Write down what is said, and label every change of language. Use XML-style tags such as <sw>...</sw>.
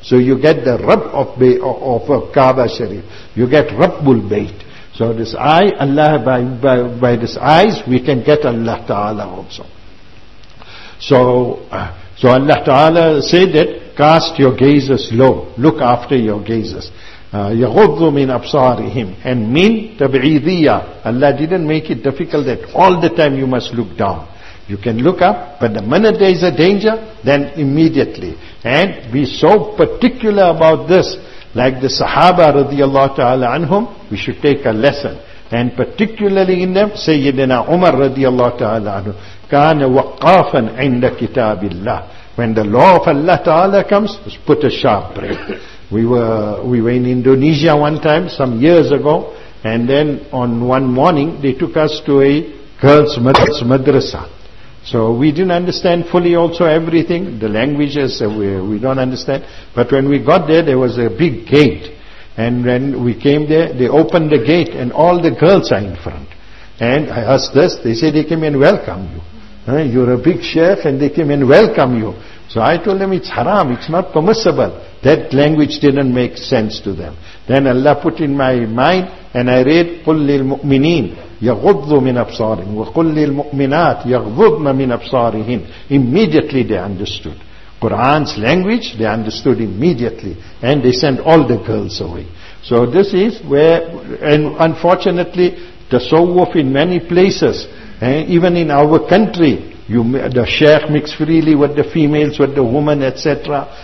<en>So you get the Rabb of Kaaba Sharif. You get Rabbul Bayt. So this eye, Allah, by this eyes, we can get Allah Ta'ala also. So Allah Ta'ala said it, cast your gazes low, look after your gazes.</en> <ar>يَغُضُّ مِنْ أَبْصَارِهِمْ</ar> <en>and mean</en> <ar>تَبْعِيدِيَّ.</ar> <en>Allah didn't make it difficult that all the time you must look down. You can look up, but the minute there is a danger, then immediately. And be so particular about this, like the Sahaba radiallahu ta'ala anhum, we should take a lesson. And particularly in them, Sayyidina Umar radiallahu ta'ala anhum,</en> <ar>كَانَ وَقَّافًا عِنْدَ كِتَابِ اللَّهِ.</ar> <en>When the law of Allah Ta'ala comes, just put a sharp break. We were in Indonesia one time, some years ago, and then on one morning, they took us to a girls' madrasa. So we didn't understand fully also everything, the languages, we don't understand. But when we got there, there was a big gate. And when we came there, they opened the gate and all the girls are in front. And I asked this, they said they came and welcome you. You're a big chef and they came and welcome you. So I told them it's haram, it's not permissible. That language didn't make sense to them. Then Allah put in my mind and I read,</en> <ar>قُلْ لِلْمُؤْمِنِينَ يَغُضُّ مِنْ أَبْصَارِهِمْ وَقُلْ لِلْمُؤْمِنَاتِ يَغْضُضْنَ مِنْ أَبْصَارِهِمْ.</ar> <en>Immediately they understood. Quran's language they understood immediately. And they sent all the girls away. So this is where, and unfortunately, the tasawwuf in many places, even in our country, the sheikh mixes freely with the females, with the women, etc.</en>